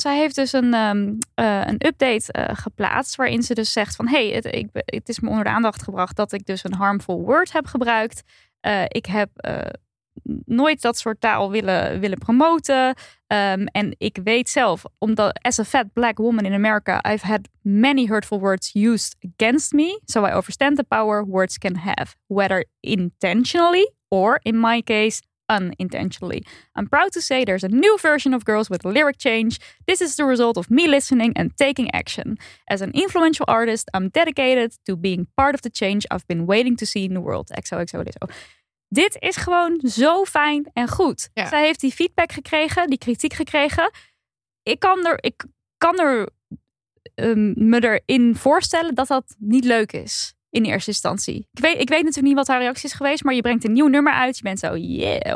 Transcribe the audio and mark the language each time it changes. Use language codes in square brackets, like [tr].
[nl] Want zij heeft dus een update geplaatst. Waarin ze dus zegt van... hey, het is me onder de aandacht gebracht dat ik dus een harmful word heb gebruikt. Ik heb nooit dat soort taal willen promoten. En ik weet zelf, omdat [en] as a fat black woman in America... I've had many hurtful words used against me. So I understand the power words can have. Whether intentionally or, in my case, unintentionally. I'm proud to say there's a new version of Girls with Lyric Change. This is the result of me listening and taking action. As an influential artist, I'm dedicated to being part of the change... I've been waiting to see in the world. XOXO Lizzo. [nl] Dit is gewoon zo fijn en goed. Ja. Zij heeft die feedback gekregen, die kritiek gekregen. Ik kan me erin voorstellen dat niet leuk is in eerste instantie. Ik weet natuurlijk niet wat haar reactie is geweest, maar je brengt een nieuw nummer uit. Je bent zo, yeah.